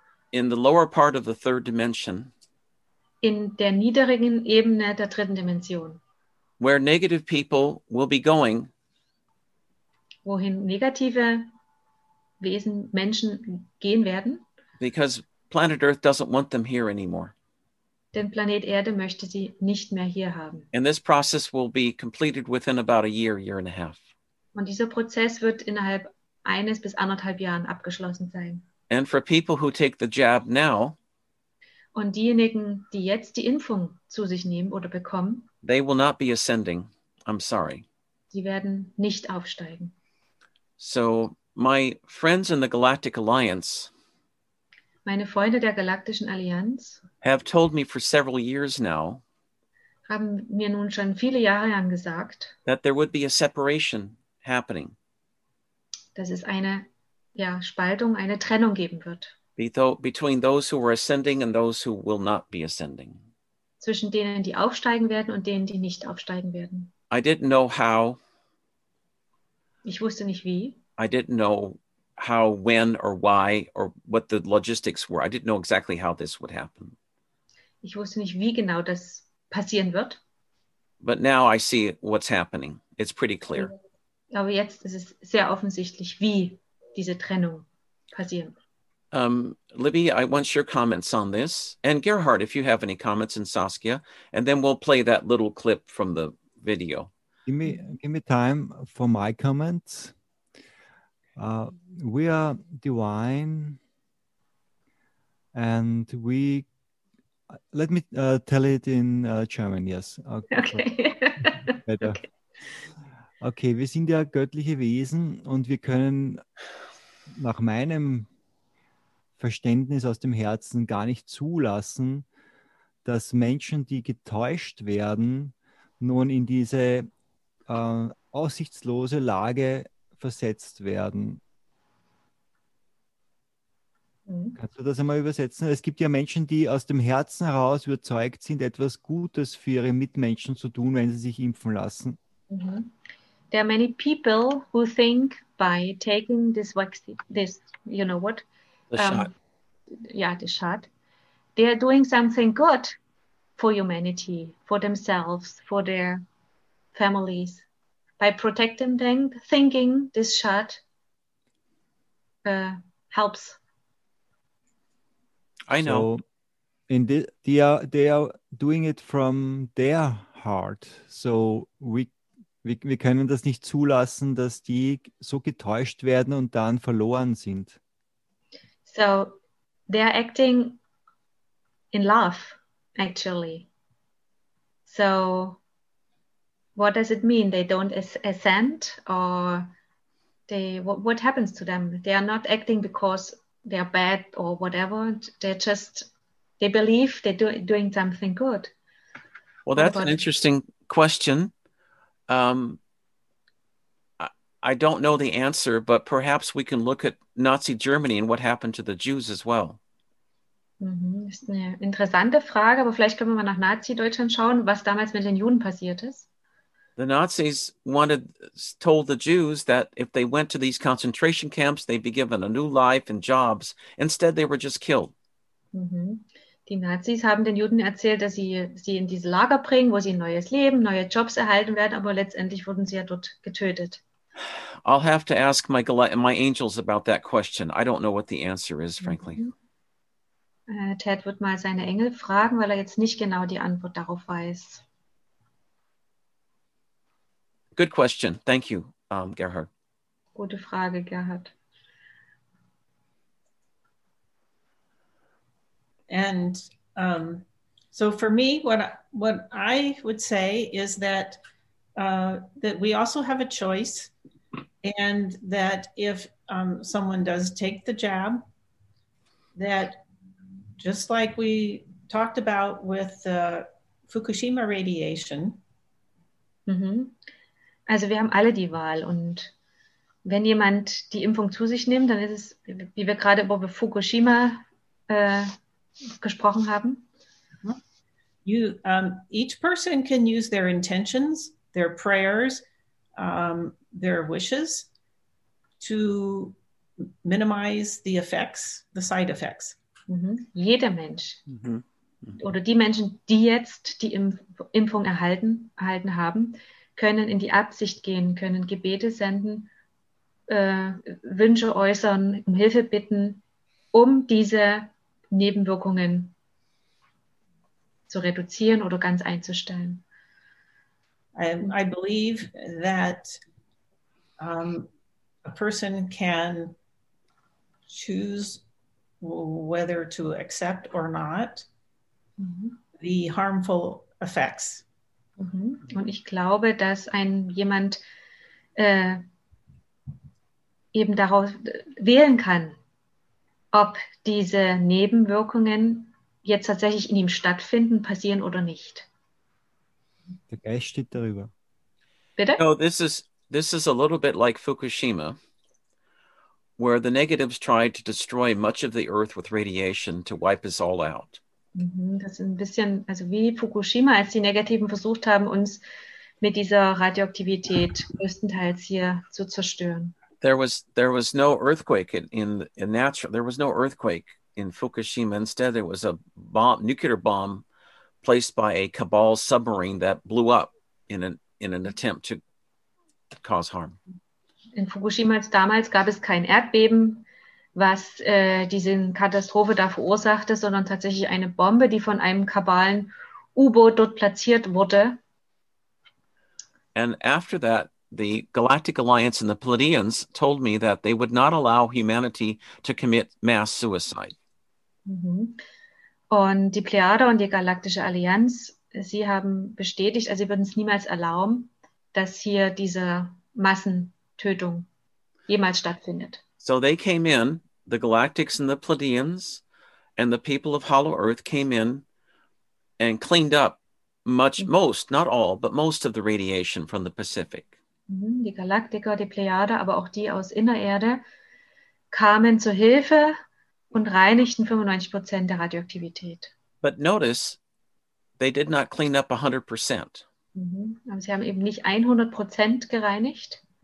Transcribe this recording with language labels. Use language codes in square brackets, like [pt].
[en] In the lower part of the third dimension. [de] In der niedrigen Ebene der dritten Dimension. [en] Where negative people will be going. [de] Wohin negative Wesen, Menschen gehen werden. [en] Because planet Earth doesn't want them here anymore. [de] Denn Planet Erde möchte sie nicht mehr hier haben. [en] And this process will be completed within about a year, year and a half. [de] Und dieser Prozess wird innerhalb eines bis anderthalb Jahren abgeschlossen sein. [en] And for people who take the jab now. [de] Und diejenigen, die jetzt die Impfung zu sich nehmen oder bekommen. [en] They will not be ascending. I'm sorry. [de] Sie werden nicht aufsteigen. [en] So my friends in the Galactic Alliance. [de] Meine Freunde der Galaktischen Allianz [en] have told me for several years now, [de] haben mir nun schon viele Jahre lang gesagt, [en] that there would be a separation happening. [de] Dass es eine Spaltung, eine Trennung geben wird. [en] Between those who are ascending and those who will not be ascending. [de] Zwischen denen, die aufsteigen werden und denen, die nicht aufsteigen werden. [en] I didn't know how. [de] Ich wusste nicht wie. [en] I didn't know how, when, or why, or what the logistics were. I didn't know exactly how this would happen. [de] Ich wusste nicht, wie genau das passieren wird. [en] But now I see what's happening. It's pretty clear. [de] Aber jetzt ist es sehr offensichtlich, wie diese Trennung passieren wird. [en] Libby, I want your comments on this. And Gerhard, if you have any comments, and Saskia, and then we'll play that little clip from the video. Give me time for my comments. We are divine, and we, let me tell it in German, yes. Okay. Better. [de] Okay, wir sind ja göttliche Wesen und wir können nach meinem Verständnis aus dem Herzen gar nicht zulassen, dass Menschen, die getäuscht werden, nun in diese aussichtslose Lage versetzt werden. Mhm. Kannst du das einmal übersetzen? Es gibt ja Menschen, die aus dem Herzen heraus überzeugt sind, etwas Gutes für ihre Mitmenschen zu tun, wenn sie sich impfen lassen. Mhm. [en] There are many people who think by taking this vaccine, this, you know what? The shot. They are doing something good for humanity, for themselves, for their families, by protecting them, thinking this shot helps. I know. So, and they are doing it from their heart. [de] So we können das nicht zulassen, dass die so getäuscht werden und dann verloren sind. [en] So they are acting in love, actually. So what does it mean? They don't assent, or they what happens to them? They are not acting because they are bad or whatever. They're just, they believe they're doing something good. Well, that's an interesting question. I don't know the answer, but perhaps we can look at Nazi Germany and what happened to the Jews as well. Mm-hmm. [de] Ist eine interessante Frage, aber vielleicht können wir mal nach Nazi-Deutschland schauen, was damals mit den Juden passiert ist. [en] The Nazis told the Jews that if they went to these concentration camps, they'd be given a new life and jobs. Instead, they were just killed. Mm-hmm. [de] Die Nazis haben den Juden erzählt, dass sie in diese Lager bringen, wo sie ein neues Leben, neue Jobs erhalten werden, aber letztendlich wurden sie ja dort getötet. [en] I'll have to ask my angels about that question. I don't know what the answer is, frankly. [de] Ted wird mal seine Engel fragen, weil jetzt nicht genau die Antwort darauf weiß. [en] Good question. Thank you, Gerhard. [de] Gute Frage, Gerhard. [en] And so for me, what I would say is that we also have a choice. And that if someone does take the jab, that just like we talked about with the Fukushima radiation. Mm-hmm. [de] Also wir haben alle die Wahl. Und wenn jemand die Impfung zu sich nimmt, dann ist es, wie wir gerade über Fukushima gesprochen haben. [en] You, each person can use their intentions, their prayers, their wishes to minimize the effects, the side effects. [de] Mm-hmm. Jeder Mensch. Mm-hmm. Mm-hmm. Oder die Menschen, die jetzt die Impfung erhalten haben, können in die Absicht gehen, können Gebete senden, Wünsche äußern, um Hilfe bitten, um diese Nebenwirkungen zu reduzieren oder ganz einzustellen. [en] I believe that a person can choose whether to accept or not mm-hmm. the harmful effects. Mm-hmm. [de] Und ich glaube, dass jemand eben darauf wählen kann, ob diese Nebenwirkungen jetzt tatsächlich in ihm stattfinden, passieren oder nicht. Der Geist steht darüber. Bitte? [en] No, this is a little bit like Fukushima, where the negatives tried to destroy much of the earth with radiation to wipe us all out. [de] Das ist ein bisschen, also wie Fukushima, als die Negativen versucht haben, uns mit dieser Radioaktivität größtenteils hier zu zerstören. [en] There was no earthquake in natural. There was no earthquake in Fukushima. Instead, there was a bomb, nuclear bomb, placed by a cabal submarine that blew up in an attempt to cause harm. [de] In Fukushima damals gab es kein Erdbeben, was diese Katastrophe da verursachte, sondern tatsächlich eine Bombe, die von einem kabalen U-Boot dort platziert wurde. [en] And after that, the Galactic Alliance and the Pleiadians told me that they would not allow humanity to commit mass suicide. Mm-hmm. [de] Und die Pleiade und die Galaktische Allianz, sie haben bestätigt, also sie würden es niemals erlauben, dass hier diese Massentötung jemals stattfindet. [en] So they came in, the Galactics and the Pleiadians and the people of Hollow Earth came in and cleaned up most of the radiation from the Pacific. [de] Die Galaktiker, die Plejade, aber auch die aus Innererde kamen zur Hilfe und reinigten 95% der Radioaktivität. [en] But notice, they did not clean up 100%. Mm-hmm. [de] Aber sie haben eben nicht 100% gereinigt.